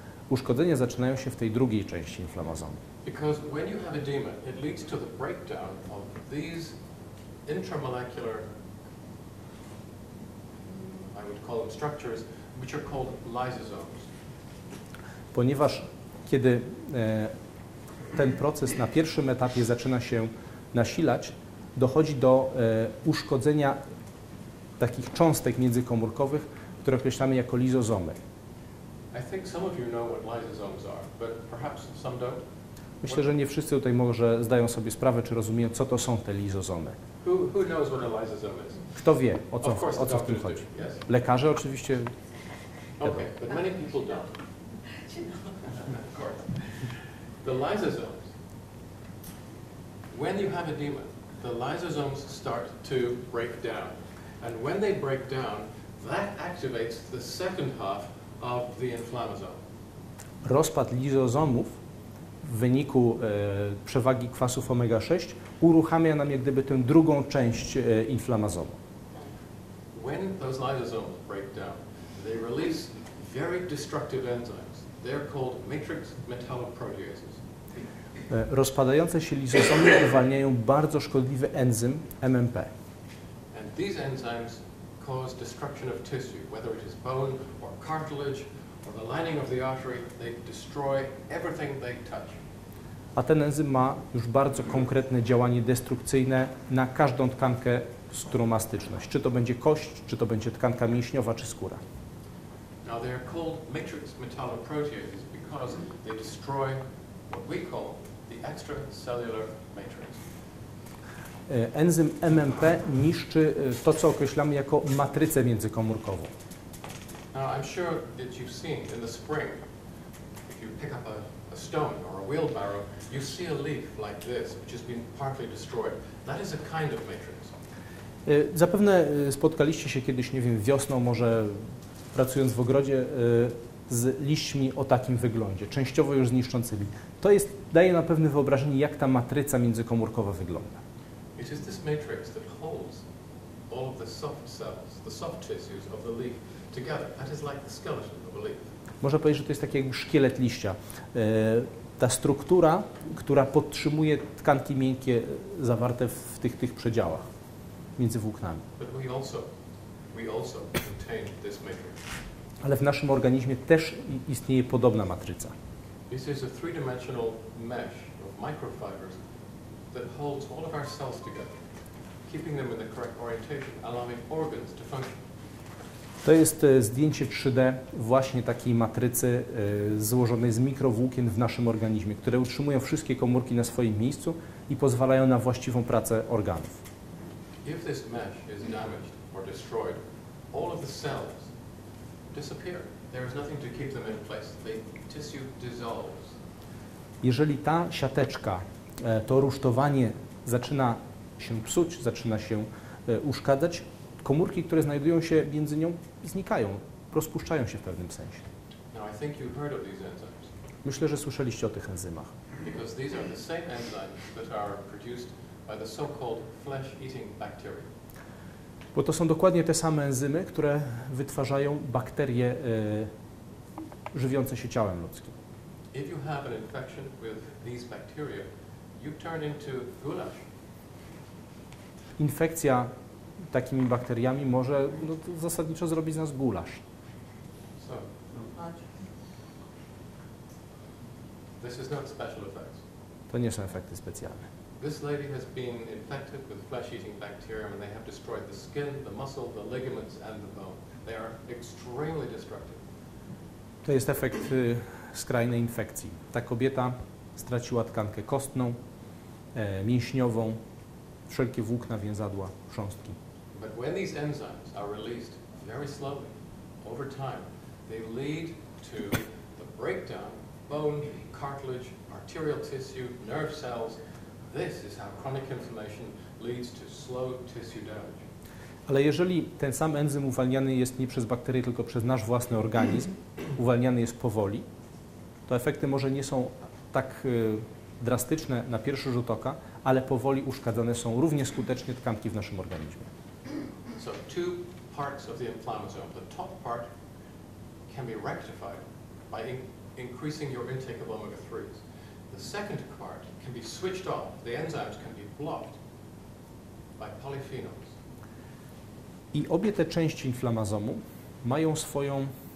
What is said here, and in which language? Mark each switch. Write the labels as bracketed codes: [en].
[pl] Uszkodzenia zaczynają się w tej drugiej części inflamazonu. [en] Because when you have edema, it leads to the breakdown of these intramolecular, I would call them structures, which are called lysosomes. [pl] Ponieważ kiedy ten proces na pierwszym etapie zaczyna się nasilać, dochodzi do uszkodzenia takich cząstek międzykomórkowych, które określamy jako lizozomy. [en] I think some of you know what lysosomes are, but perhaps some don't. [pl] Myślę, że nie wszyscy tutaj może zdają sobie sprawę, czy rozumieją, co to są te lizozomy. [en] Who knows what a lysosome is? [pl] Kto wie, o co w tym chodzi? [en] Yes. [pl] Lekarze oczywiście. [en] Okay, but many people don't. The lysosomes. When you have edema, the lysosomes start to break down. And when they break down, that activates the second half of the inflammasome. [pl] Rozpad lizozomów w wyniku przewagi kwasów omega-6 uruchamia nam jak gdyby tę drugą część inflamazomu. [en] When those lysosomes break down, they release very destructive enzymes. They're called matrix metalloproteases. [pl] Rozpadające się lizozomy uwalniają bardzo szkodliwy enzym MMP. [en] And these enzymes cause destruction of tissue, whether it is bone or cartilage or the lining of the artery, they destroy everything they touch. [pl] A ten enzym ma już bardzo konkretne działanie destrukcyjne na każdą tkankę, z którą ma styczność. Czy to będzie kość, czy to będzie tkanka mięśniowa, czy skóra. [en] Now they are called matrix metalloproteases because they destroy what we call the extracellular matrix. [pl] Enzym MMP niszczy to, co określamy jako matrycę międzykomórkową. [en] Now I'm sure that you've seen in the spring, if you pick up a stone or a wheelbarrow, you see a leaf like this, which has been partly destroyed. That is a kind of matrix. [pl] Zapewne spotkaliście się kiedyś, nie wiem, wiosną, może pracując w ogrodzie, z liśćmi o takim wyglądzie, częściowo już zniszczącymi. To jest, daje na pewne wyobrażenie, jak ta matryca międzykomórkowa wygląda. [en] It is this matrix that holds all of the soft cells, the soft tissues of the leaf together. That is like the skeleton of a leaf. [pl] Można powiedzieć, że to jest taki jakby szkielet liścia. Ta struktura, która podtrzymuje tkanki miękkie zawarte w tych, tych przedziałach między włóknami. [en] We also contain this matrix. [pl] Ale w naszym organizmie też istnieje podobna matryca. [en] This is a three-dimensional mesh of microfibers that holds all of our cells together, keeping them in the correct orientation, allowing organs to function. [pl] To jest zdjęcie 3D właśnie takiej matrycy złożonej z mikrowłókien w naszym organizmie, które utrzymują wszystkie komórki na swoim miejscu i pozwalają na właściwą pracę organów. [en] If this mesh is damaged or destroyed, all of the cells disappear. There is nothing to keep them in place. The tissue dissolves. [pl] Jeżeli ta siateczka, to rusztowanie zaczyna się psuć, zaczyna się uszkadzać, komórki, które znajdują się między nią, znikają, rozpuszczają się w pewnym sensie. [en] Now, I think you've heard of these enzymes. [pl] Myślę, że słyszeliście o tych enzymach. [en] Because these are the same enzymes that are produced by the so-called flesh-eating bacteria. [pl] Bo to są dokładnie te same enzymy, które wytwarzają bakterie żywiące się ciałem ludzkim. [en] If you have an infection with these bacteria, you turn into goulash. [pl] Infekcja takimi bakteriami może no, zasadniczo zrobić z nas gulasz. [en] This is not special effects. [pl] To nie są efekty specjalne. [en] This lady has been infected with flesh-eating bacteria and they have destroyed the skin, the muscle, the ligaments and the bone. They are extremely destructive. [pl] To jest efekt skrajnej infekcji. Ta kobieta straciła tkankę kostną, mięśniową, wszelkie włókna, więzadła, chrząstki. [en] But when these enzymes are released very slowly, over time, they lead to the breakdown of bone, cartilage, arterial tissue, nerve cells. This is how chronic inflammation leads to slow tissue damage. [pl] Ale jeżeli ten sam enzym uwalniany jest nie przez bakterie, tylko przez nasz własny organizm, uwalniany jest powoli, to efekty może nie są tak drastyczne na pierwszy rzut oka, ale powoli uszkadzane są równie skutecznie tkanki w naszym organizmie. [en] So two parts of the inflammasome. The top part can be rectified by increasing your intake of omega-3s. The second part can be switched off. The enzymes can be blocked by polyphenols. [pl] I obie te części inflamazomu mają swoją...